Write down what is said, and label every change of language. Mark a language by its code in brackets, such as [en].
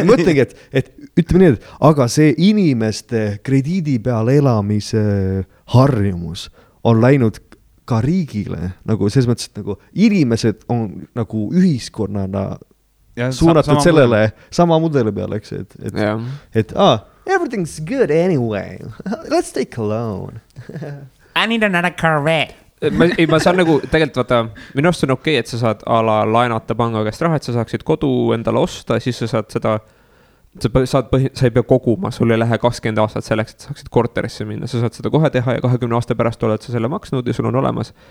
[et] Mõtlegi, et ütleme nii, et aga see inimeste krediidi peal elamise harjumus on läinud ka riigile, nagu selles mõttes, et nagu inimesed on nagu ühiskonnana ja, suunatud sama sellele mudeli. Sama mudeli peale, eks, et, ja. [en] Et everything's good anyway, let's take a loan. I need another Corvette. [et] Ma saan nagu, tegelikult vaata, minu arust on okei, et sa saad ala laenata panga käest raha, et sa saaksid kodu endale osta, siis sa saad seda sa ei pea koguma, sul ei lähe 20 aastat selleks, et saaksid korterisse minna. Sa saad seda kohe teha ja 20 aasta pärast oled sa selle maksnud ja sul on olemas.